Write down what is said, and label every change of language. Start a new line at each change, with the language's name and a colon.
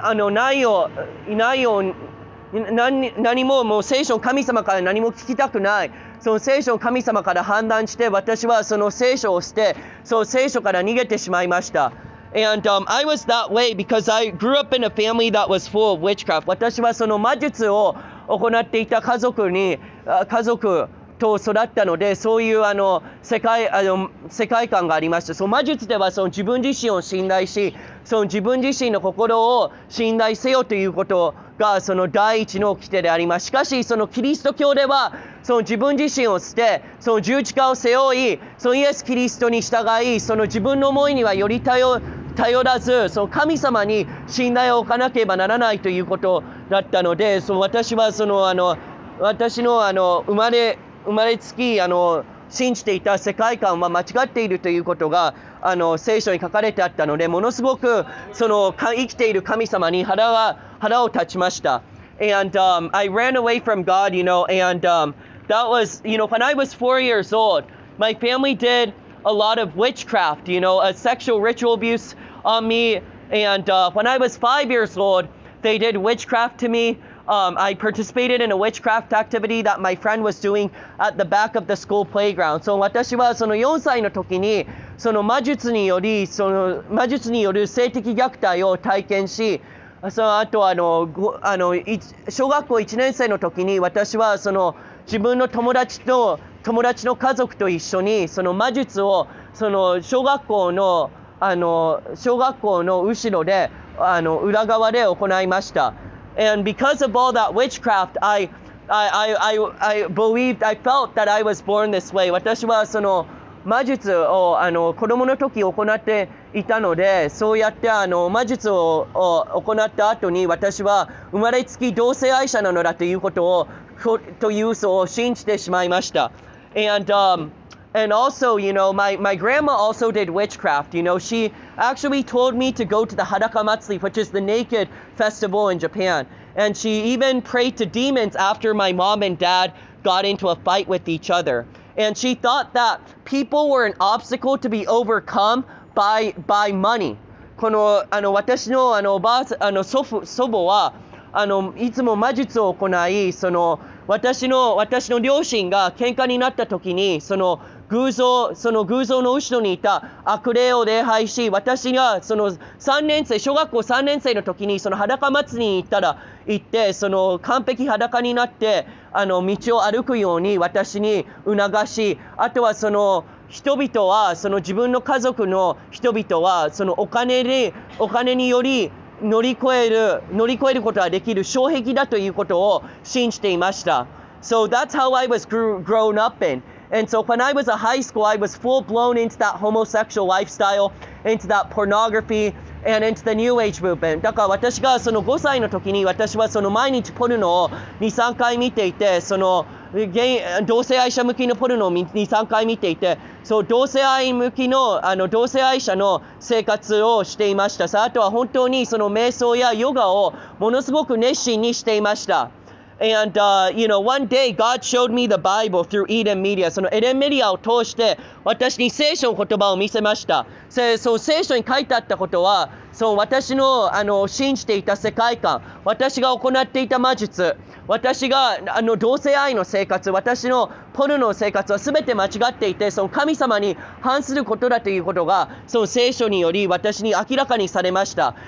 Japanese: ないように何も聖書の神様から何も聞きたくないその聖書の神様から判断して私はその聖書を捨てその聖書から逃げてしまいました。
English: And, I was that way because I grew up in a family that was full of witchcraft.
Japanese: 私はその魔術を行っていた家族と育ったのでそういう世界観がありました。その魔術ではその自分自身を信頼しその自分自身の心を信頼せよということがその第一の規定であります。しかしそのキリスト教ではその自分自身を捨てその十字架を背負いそのイエス・キリストに従いその自分の思いにはより頼らずその神様に信頼を置かなければならないということだったのでその私はその私 の, あの 生まれつき信じていた世界観は間違っているということが聖書に書かれてあったので、ものすごくその生きている神様に腹を立ちました。
English: And、I ran away from God, you know, and、that was, you know, when I was 4 years old, my family did a lot of witchcraft, you know, a sexual ritual abuse on me. And、when I was 5 years old, they did witchcraft to me. I participated in a witchcraft activity that my friend was doing at the back of the school playground.
Japanese: So, 私はその4歳の時に、その魔術により、その魔術による性的虐待を体験し、そのあと、小学校1年生の時に、私はその自分の友達の家族と一緒に、その魔術を、その小学校の後ろで、裏側で行いました。
English: And because of all that witchcraft, I believed, I felt that I was born this way.
Japanese: 私はその魔術を子供の時行っていたので、そうやって魔術を行った後に、私は生まれつき同性愛者なのだということを、という嘘を信じてしまいました。
English: And, and also, you know, my grandma also did witchcraft. You know, she actually told me to go to the Hadaka Matsuri, which is the naked festival in Japan. And she even prayed to demons after my mom and dad got into a fight with each other. And she thought that people were an obstacle to be overcome by money.
Japanese: この、私の、おばあ、祖母は、いつも魔術を行い、その、私の両親が喧嘩になった時に、その偶像の後ろにいた悪霊を礼拝し、私がその小学校3年生の時にその裸祭りに行って、その完璧裸になって道を歩くように私に促し、あとはその人々は、その自分の家族の人々は、そのお金により乗り越えることができる障壁だということを信じていました。
English: So that's how I was grown up in. And so when I was in high school, I was full blown into that homosexual lifestyle, into that pornography, and into the New Age movement.
Japanese: だから私がその5歳の時に、私はその毎日ポルノを2、3回見ていて、その同性愛者向きのポルノを2、3回見ていて、そう同性愛向きの、同性愛者の生活をしていました。さあ、あとは本当にその瞑想やヨガをものすごく熱心にしていました。
English: And, you know, one day God showed me the Bible through Eden Media.
Japanese: そのエデンメディアを通して私に聖書の言葉を見せました。その聖書に書いてあったことは、その私の、信じていた世界観、私が行っていた魔術、私が同性愛の生活、私のポルノの生活は全て間違っていて、その神様に反することだということが、その聖書により私に明らかにされました。